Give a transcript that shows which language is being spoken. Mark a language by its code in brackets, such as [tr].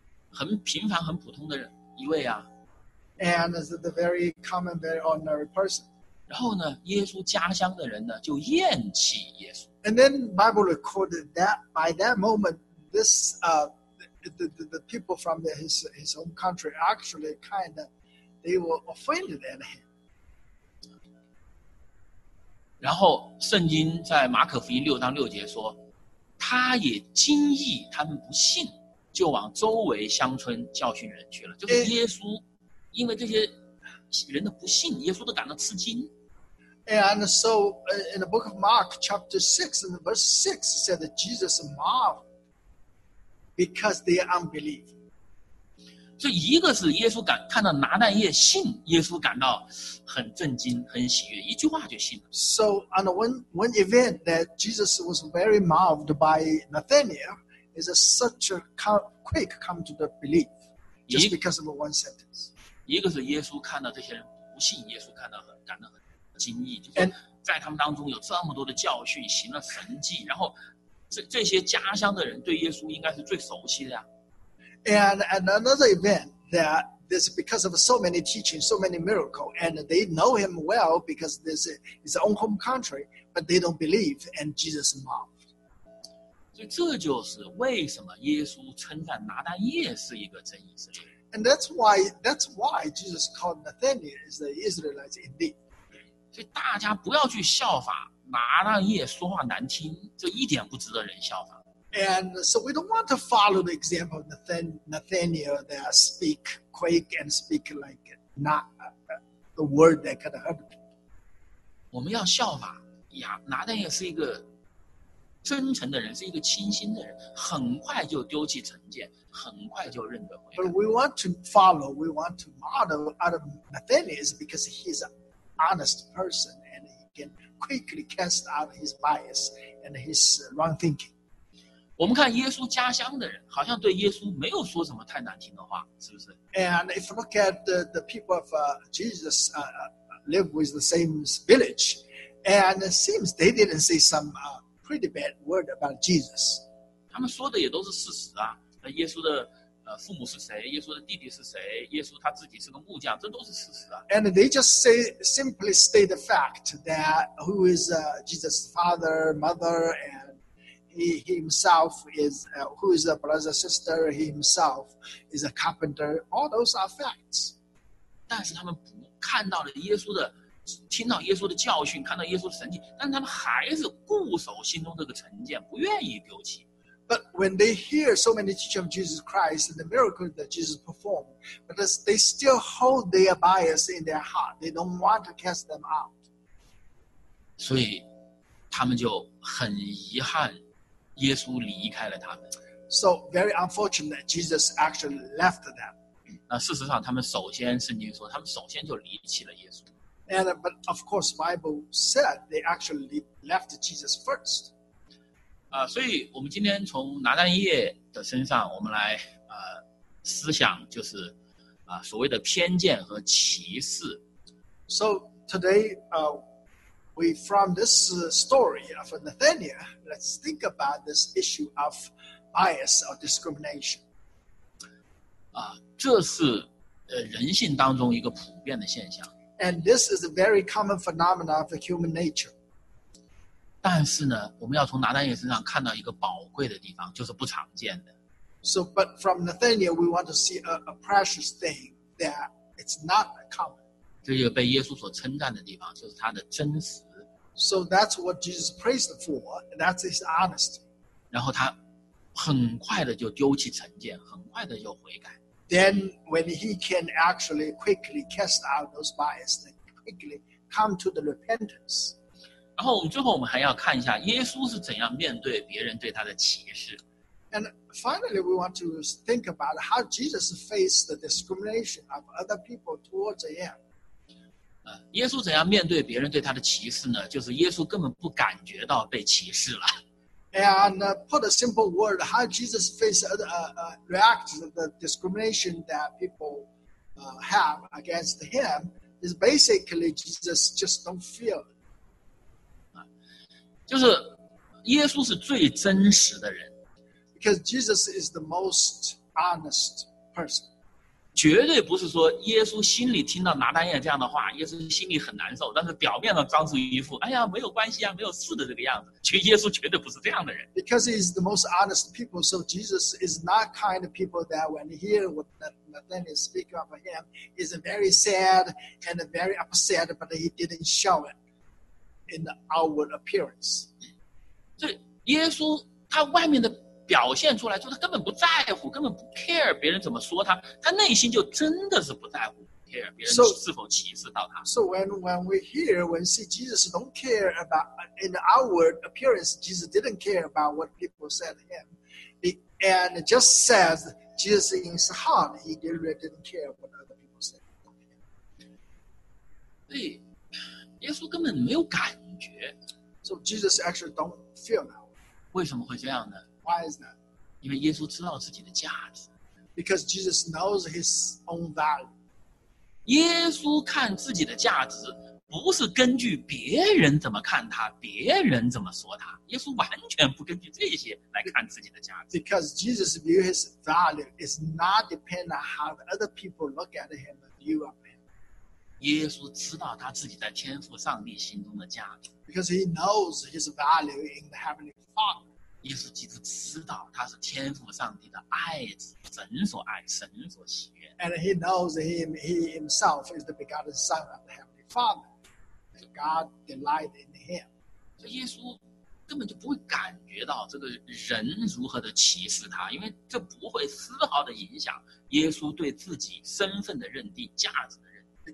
[zh] 很平凡很普通的一位啊。 [en] And is the very common, very ordinary person. [zh] 然后呢，耶稣家乡的人呢就厌弃耶稣。 [en] And then Bible recorded that by that moment, this the people from his own country actually kind of they were offended at him. [zh] 然后圣经在马可福音六章六节说，他也惊异他们不信，就往周围乡村教训人去了。就是耶稣因为这些人的不信，耶稣都感到吃惊。 [en] And so in the book of Mark chapter 6 and verse 6 said that Jesus marveled because they unbelieve. [zh] 所以一个是耶稣看到拿但业信耶稣感到很震惊，很喜悦，一句话就信了。 [en] So on one event that Jesus was very marveled by Nathaniel is such a quick come to the belief just because of one sentence. [zh] 一个是耶稣看到这些人不信，耶稣看到很感到很惊异，就是在他们当中有这么多的教训，行了神迹，然后这些家乡的人对耶稣应该是最熟悉的呀。 [en] And another event that. This is because of so many teachings, so many miracles, and they know him well because this is his own home country, but they don't believe, and Jesus marveled. [zh] 所以这就是为什么耶稣称赞拿但业是一个真以色列。 [en] And that's why Jesus called Nathaniel is the Israelite indeed. [zh] 所以大家不要去效法拿但业说话难听，这一点不值得人效法。 [en] And so we don't want to follow the example of Nathaniel that speak quick and speak like not the word that could hurt people. [zh] 我们要效法亚拿但业是一个真诚的人，是一个清新的人，很快就丢弃成见，很快就认得回来。 [en] But we want to follow, we want to model out of Nathaniel because he's an honest person and he can quickly cast out his bias and his wrong thinking. [zh] 我们看耶稣家乡的人好像对耶稣没有说什么太难听的话，是不是？ [en] And if you look at the people of Jesus live with the same village, and it seems they didn't say some pretty bad word about Jesus. [zh] 他们说的也都是事实啊，耶稣的父母是谁，耶稣的弟弟是谁，耶稣他自己是个木匠，这都是事实啊。 [en] And they just simply state the fact that who is Jesus' father, mother, andWho is a brother, sister, he himself is a carpenter. All those are facts. [zh] 但是他们不看到了耶稣的，听到耶稣的教训，看到耶稣的神迹，但他们还是固守心中这个成见，不愿意丢弃。 [en] But when they hear so many teachings of Jesus Christ and the miracles that Jesus performed, but they still hold their bias in their heart. They don't want to cast them out. [zh] 所以他们就很遗憾。耶稣离开了他们。 [en] So very unfortunate, Jesus actually left them. [zh] 那事实上，他们首先圣经说，他们首先就离弃了耶稣。 [en] And but of course, Bible said they actually left Jesus first. [zh] 所以我们今天从拿但业的身上，我们来思想就是所谓的偏见和歧视。 [en] So today, We from this story of Nathaniel, let's think about this issue of bias or discrimination. [zh] 这是人性当中一个普遍的现象。 [en] And this is a very common phenomenon of human nature. [zh] 但是呢，我们要从拿但业身上看到一个宝贵的地方，就是不常见的。 [en] So, but from Nathanael, we want to see a precious thing that it's not common. [zh] 这就被耶稣所称赞的地方，就是他的真实。 [en] So that's what Jesus praised for. That's his honesty. [zh] 然后他很快的就丢弃成见，很快的就悔改。 [en] Then when he can actually quickly cast out those biases, then quickly come to the repentance. [zh] 然后我们最后我们还要看一下耶稣是怎样面对别人对他的歧视。 [en] And finally, we want to think about how Jesus faced the discrimination of other people towards him. [zh] 耶稣怎样面对别人对他的歧视呢？就是耶稣根本不感觉到被歧视了。 [en] And put a simple word, how Jesus faced react to the discrimination that people have against him is basically Jesus just don't feel it. [zh] 就是耶稣是最真实的人。 [en] Because Jesus is the most honest person. [zh] 绝对不是说耶稣心里听到拿单叶这样的话，耶稣心里很难受，但是表面上装出一副哎呀没有关系啊，没有事的这个样子。其实耶稣绝对不是这样的人。 [en] Because he is the most honest people, so Jesus is not kind of people that when he hear what Nathanael speak of him is very sad and very upset, but he didn't show it in the outward appearance. [zh] 所以耶稣他外面的表现出来就是根本不在乎，根本不 care 别人怎么说他，他内心就真的是不在乎，不 care 别人是否歧视到他。 [en] So when we hear, when see Jesus don't care about in the outward appearance, Jesus didn't care about what people said to him, and it just says Jesus in his heart, he really didn't care what other people said. [zh] 对，耶稣根本没有感觉。 [en] So Jesus actually don't feel now. [zh] 为什么会这样呢？ [en] Why is that? [zh] 因为耶稣知道自己的价值。 [en] Because Jesus knows his own value. [zh] 耶稣看自己的价值不是根据别人怎么看他，别人怎么说他。耶稣完全不根据这些来看自己的价值。 [en] Because Jesus view his value is not depend on how the other people look at him and view of him. [zh] 耶稣知道他自己在天父上帝心中的价值。 [en] Because he knows his value in the heavenly Father. [zh] 耶稣基督知道他是天父上帝的爱子，神所爱，神所喜悦。 [en] And he knows him, he himself is the begotten son of the heavenly Father. God delighted in him. [zh] 所以耶稣根本就不会感觉到这个人如何的歧视他，因为这不会丝毫的影响耶稣对自己身份的认定、价值的认定。